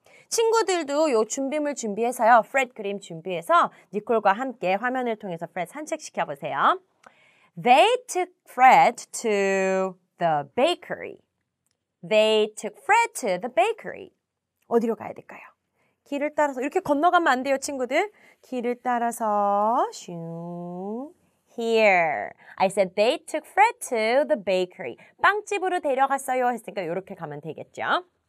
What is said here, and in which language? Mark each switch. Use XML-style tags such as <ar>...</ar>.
<ko>친구들도 요 준비물 준비해서요, Fred 그림 준비해서 니콜과 함께 화면을 통해서 Fred 산책시켜보세요.</ko> <en>They took Fred to the bakery. They took Fred to the bakery.</en> <ko>어디로 가야 될까요? 길을 따라서 이렇게 건너가면 안 돼요, 친구들. 길을 따라서 슝.</ko> <en>Here. I said they took Fred to the bakery.</en> <ko>빵집으로 데려갔어요 했으니까 이렇게 가면 되겠죠.</ko>